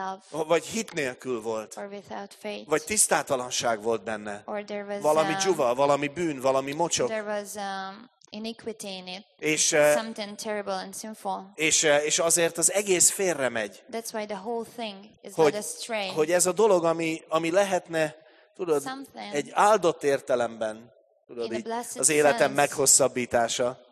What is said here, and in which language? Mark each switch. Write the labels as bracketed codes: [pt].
[hu] Vagy hit nélkül volt. Vagy tisztátalanság volt benne. Valami dzsuva, valami bűn, valami mocsok. [en] Iniquity in it. Something terrible and sinful. [hu] És azért az egész félre megy. [en] That's why the whole thing is led astray. [hu] Hogy ez a dolog, ami lehetne, tudod, something egy áldott értelemben, tudod, így, az életem meghosszabbítása.